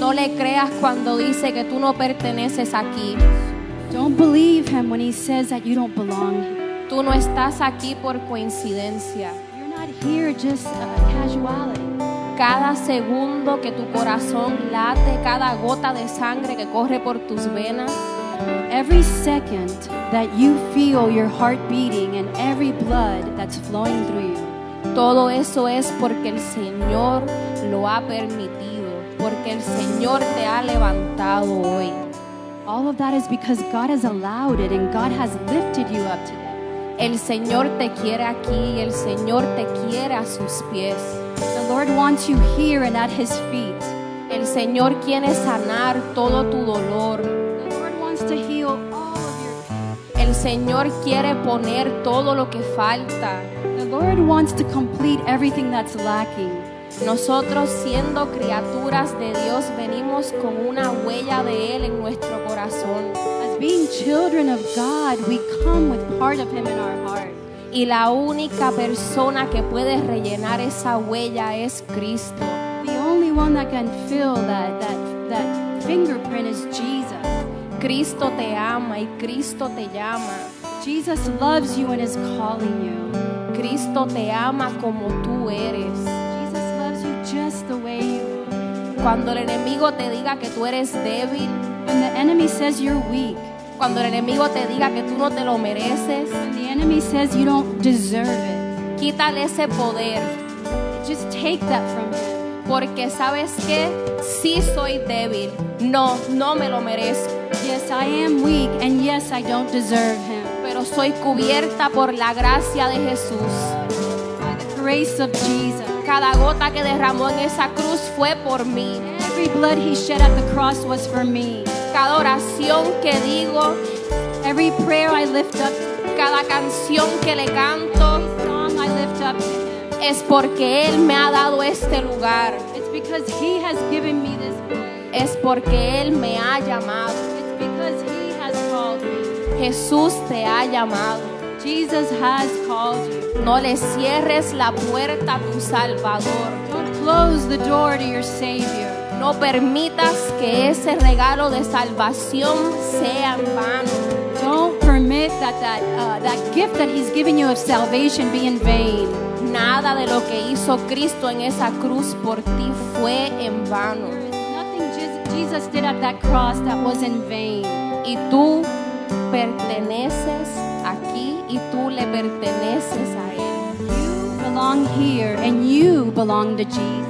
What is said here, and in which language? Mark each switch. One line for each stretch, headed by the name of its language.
Spanish: No le creas cuando dice que tú no perteneces aquí.
English: Don't believe him when he says that you don't belong here.
Spanish: Tú no estás aquí por coincidencia.
English: You're not here just casually.
Spanish: Cada segundo que tu corazón late, cada gota de sangre que corre por tus venas.
English: Every second that you feel your heart beating and every blood that's flowing through you.
Spanish: Todo eso es porque el Señor lo ha permitido, porque el Señor te ha levantado hoy.
English: All of that is because God has allowed it and God has lifted you up today.
Spanish: El Señor te quiere aquí y el Señor te quiere a sus pies.
English: The Lord wants you here and at His feet.
Spanish: El Señor quiere sanar todo tu dolor.
English: The Lord wants to heal all of your pain.
Spanish: El Señor quiere poner todo lo que falta.
English: The Lord wants to complete everything that's lacking.
Spanish: Nosotros siendo criaturas de Dios venimos con una huella de Él en nuestro corazón.
English: As being children of God, we come with part of Him in our heart.
Spanish: y la única persona que puede rellenar esa huella es Cristo.
English: The only one that can fill that fingerprint is Jesus.
Spanish: Cristo te ama y Cristo te llama.
English: Jesus loves you and is calling you.
Spanish: Cristo te ama como tú eres.
English: Jesus loves you just the way you are.
Spanish: Cuando el enemigo te diga que tú eres débil,
English: when the enemy says you're weak,
Spanish: cuando el enemigo te diga que tú no te lo mereces,
English: when the enemy says you don't deserve it,
Spanish: quítale ese poder.
English: Just take that from him.
Spanish: Porque sabes que sí soy débil. No, no me lo merezco.
English: Yes, I am weak, and yes, I don't deserve him.
Spanish: Pero soy cubierta por la gracia de Jesús.
English: By the grace of Jesus.
Spanish: Cada gota que derramó en esa cruz fue por mí.
English: Every blood he shed at the cross was for me.
Spanish: Cada oración que digo,
English: every prayer I lift up,
Spanish: cada canción que le canto,
English: every song I lift up to him,
Spanish: es porque él me ha dado este lugar.
English: It's because he has given me this place.
Spanish: Es porque él me ha llamado.
English: It's because he has called me.
Spanish: Jesús te ha llamado.
English: Jesus has called you.
Spanish: No le cierres la puerta a tu Salvador.
English: Don't close the door to your Savior.
Spanish: No permitas que ese regalo de salvación sea en vano.
English: Don't permit that gift that he's given you of salvation be in vain.
Spanish: Nada de lo que hizo Cristo en esa cruz por ti fue en vano.
English: Nothing Jesus did at that cross that was in vain.
Spanish: Y tú perteneces aquí y tú le perteneces a él.
English: You belong here and you belong to Jesus.